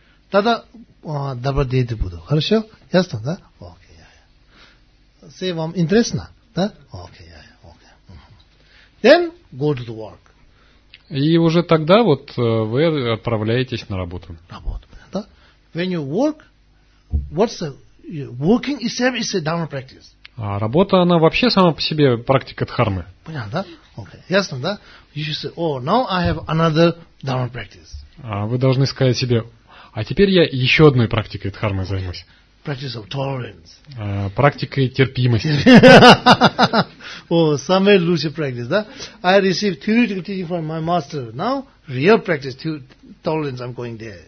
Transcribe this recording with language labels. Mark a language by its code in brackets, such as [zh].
[ru] Тогда добродеть буду. Хорошо? Ясно, да? Окей, я. Все вам интересно, да? Окей, я. [en] Then go to the work. [ru] И уже тогда вот вы отправляетесь на работу. Работу, да? [en] When you work, what's the working itself is a dharma practice. [ru] А работа, она вообще сама по себе практика дхармы. Понятно, да? Окей, okay. Ясно, да? [en] You should say, oh, now I have another dharma practice. [ru] А вы должны сказать себе, а теперь я еще одной практикой дхармы okay. займусь. [en] Practice of tolerance. [ru] Практикой терпимости. [en] Oh, [ru] самая лучшая [en] practice, да? I received theoretical teaching from my master. Now, real practice, tolerance, I'm going there.